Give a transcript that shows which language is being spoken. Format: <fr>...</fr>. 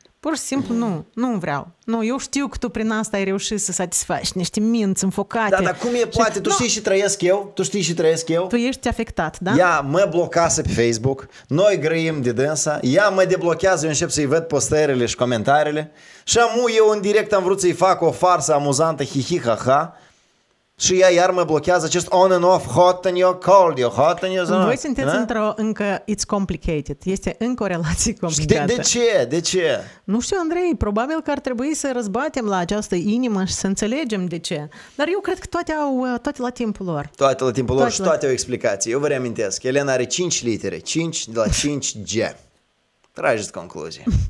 <ro>Pur și simplu nu, nu vreau. Nu, eu știu că tu prin asta ai reușit să satisfaci niște minți înfocate. Da, dar cum e poate? Tu știi și trăiesc eu? Tu știi și trăiesc eu? Tu ești afectat, da? Ea mă blochează pe Facebook, noi grăim de dânsa, ea mă deblochează, eu încep să-i văd postările și comentariile și eu în direct am vrut să-i fac o farsă amuzantă, hi-hi-ha-ha. Și ea iar mă blochează acest</ro> <en>on and off, hot and you're cold, you're hot and you're...</en> <ro>Voi sunteți într-o încă,</ro> <en>it's complicated,</en> <ro>este încă o relație complicată. De ce? Nu știu, Andrei, probabil că ar trebui să răzbatem la această inimă și să înțelegem de ce. Dar eu cred că toate la timpul lor. Toate la timpul lor și toate au explicații. Eu vă reamintesc, Elena are 5 litere, 5 de la 5G. Trageți concluzie.</ro>